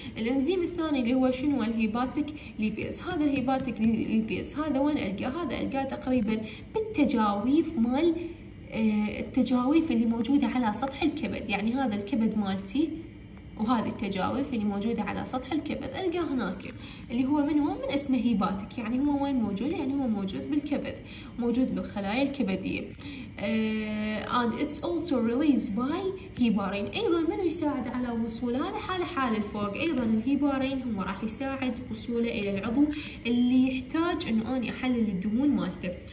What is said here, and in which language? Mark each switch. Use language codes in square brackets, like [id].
[ar] الانزيم الثاني اللي هو شنو؟ الهيباتيك ليبيز. هذا الهيباتيك ليبيز هذا وين القاه؟ هذا القاه تقريبا بالتجاويف مال التجاويف اللي موجودة على سطح الكبد. يعني هذا الكبد مالتي وهذه التجاويف اللي موجودة على سطح الكبد ألقى هناك اللي هو من هو من اسمه هيباتك. يعني هو وين موجود؟ يعني هو موجود بالكبد، موجود بالخلايا الكبدية. [en] And it's also released by heparin. [ar] أيضا منو يساعد على وصول هذا؟ حال الفوق أيضا الهيبارين هو راح يساعد وصوله إلى العضو اللي يحتاج أنه أنا أحلل الدهون مالته.